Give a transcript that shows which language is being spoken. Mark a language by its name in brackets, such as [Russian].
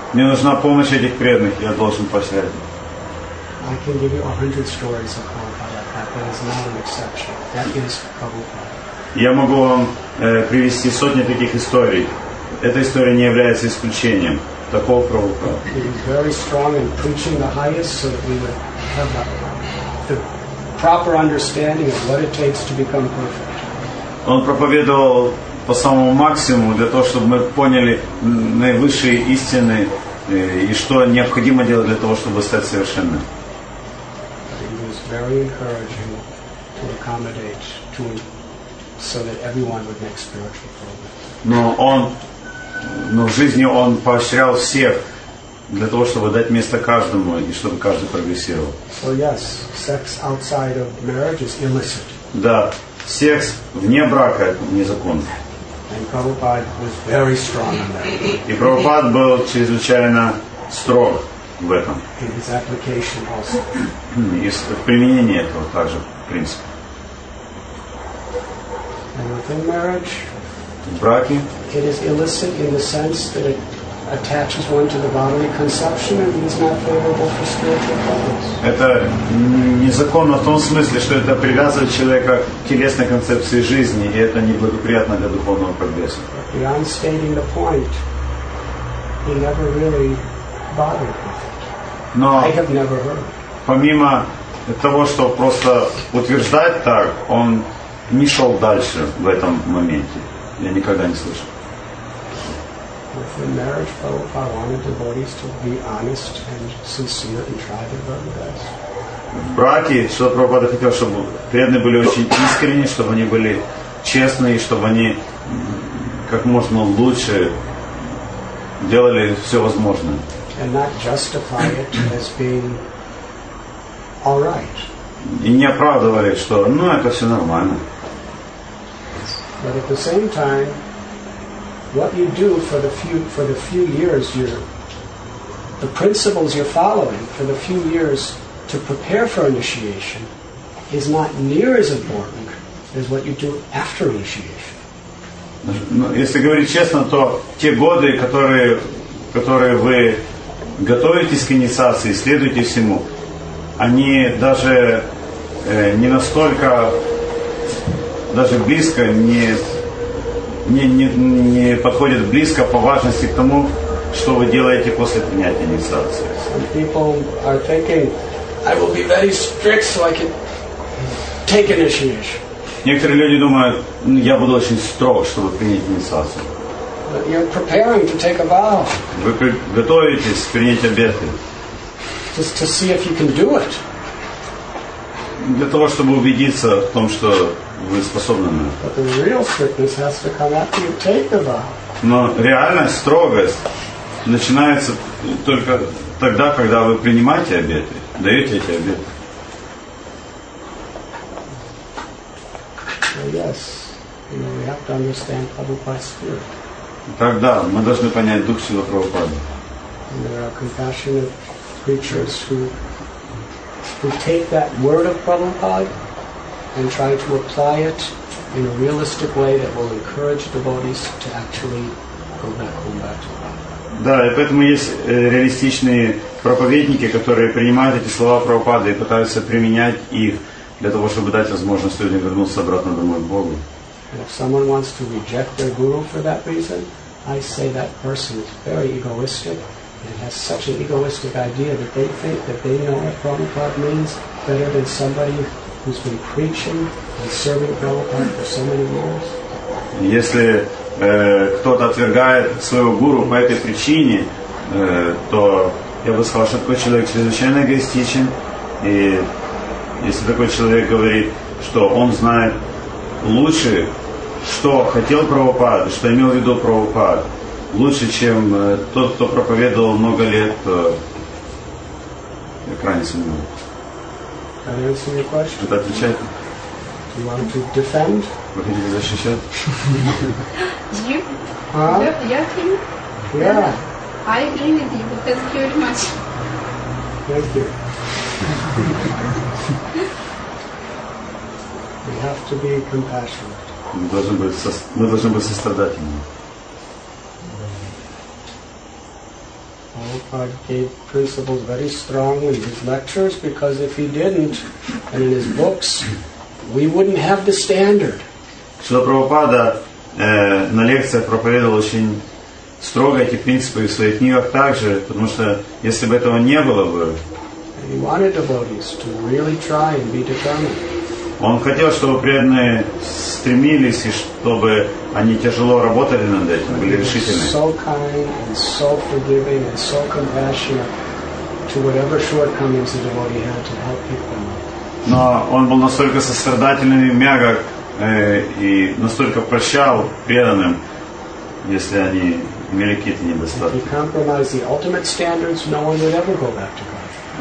[Russian] мне нужна помощь этих преданных, я должен поощрять. [English] I can give you 100 stories of Prabhupada. That is not an exception. That is Prabhupada. [Russian] Я могу вам привести сотни таких историй. Эта история не является исключением. Таков Прабхупада. [English] He is very strong in preaching the highest, so that we would have that the proper understanding of what it takes to become perfect. [Russian] Он проповедовал по самому максимуму для того, чтобы мы поняли наивысшие истины и что необходимо делать для того, чтобы стать совершенным. [English] He was very encouraging to accommodate to so that everyone would make spiritual progress. [Russian] Но в жизни он поощрял всех для того, чтобы дать место каждому и чтобы каждый прогрессировал. [English] So yes, sex outside of marriage is illicit. [Russian] Да, секс вне брака незаконно. [English] And Prabhupada was very strong on that. [Russian] И Прабхупад был чрезвычайно строг в этом. [English] In his application also. [Russian] И в применении этого также принципа. [English] And within marriage, [Russian] браки. [English] It is illicit in the sense that it attaches one to the bodily conception and is not favorable for spiritual progress. [Russian] Это незаконно в том смысле, что это привязывает человека к телесной концепции жизни, и это неблагоприятно для духовного прогресса. [English] Beyond stating the point, he never really bothered me. [Russian] Но [English] I have never heard. [Russian] Помимо того, что просто утверждать так, он не шел дальше в этом моменте. Я никогда не слышал. [English] Within marriage, Prabhupada wanted devotees to be honest and sincere and try their very best. [Russian] В браке, что Прабхупада хотел, чтобы преданные были очень искренни, чтобы они были честны и чтобы они как можно лучше делали все возможное. [English] And not justify it as being all right. [Russian] И не оправдывали, что ну это все нормально. [English] But at the same time, what you do for the few years you're the principles you're following for the few years to prepare for initiation is not near as important as what you do after initiation. [Russian] Ну, если говорить честно, то те годы, которые вы готовитесь к инициации, следуете всему, они даже не настолько даже близко не подходит близко по важности к тому, что вы делаете после принятия инициации. [English] Some people are thinking, I will be very strict so I can take initiation. [Russian] Некоторые люди думают, я буду очень строг, чтобы принять инициацию. [English] But you're preparing to take a vow. [Russian] Вы готовитесь принять обеты. [English] Just to see if you can do it. [Russian] Для того, чтобы убедиться в том, что вы способны на это. [English] But the real strictness has to come after you take the vow. [Russian] Но реальная строгость начинается только тогда, когда вы принимаете обеты, даете эти обеты. [English] So yes, you know, we have to understand Prabhupada's spirit. [Russian] Тогда мы должны понять дух Силы Прабхупады. [English] And there are compassionate creatures who take that word of Prabhupada and try to apply it in a realistic way that will encourage devotees to actually go back to Prabhupada. [Russian] Да, и поэтому есть реалистичные проповедники, которые принимают эти слова Прабхупады и пытаются применять их для того, чтобы дать возможность людям вернуться обратно домой к Богу. [English] And if someone wants to reject their guru for that reason, I say that person is very egoistic and has such an egoistic idea that they think that they know what Prabhupada means better than somebody who's been preaching and serving Prabhupada for so many years. [Russian] Если кто-то отвергает своего гуру по этой причине, то я бы сказал, что такой человек чрезвычайно эгоистичен. И если такой человек говорит, что он знает лучше, что хотел Прабхупада, что имел в виду Прабхупада, лучше, чем тот, кто проповедовал много лет, то я крайне сомневаюсь. [English] Can I answer your question? [Russian] Это отвечает. [English] Do you want to defend? [Russian] Вы хотите защищать? [English] You? Huh? Yeah, yeah. I agree with you. Thank you very much. Thank you. We have to be compassionate. Мы должны быть сострадательными. Ok. Prabhupada gave principles very strongly in his lectures, because if he didn't, and in his books, we wouldn't have the standard. [Russian] Шрила Прабхупада на лекциях проповедовал очень строго эти принципы в своих книгах также, потому что если бы этого не было бы, [English] and he wanted devotees to really try and be determined. [Russian] Он хотел, чтобы преданные стремились, и чтобы они тяжело работали над этим, были решительны. [English] So kind and so forgiving and so compassionate to whatever shortcomings the devotee had to help people. [Russian] Но он был настолько сострадательным и мягок, и настолько прощал преданным, если они имели какие-то недостатки. [English] If he compromised the ultimate standards, no one would ever go back to God.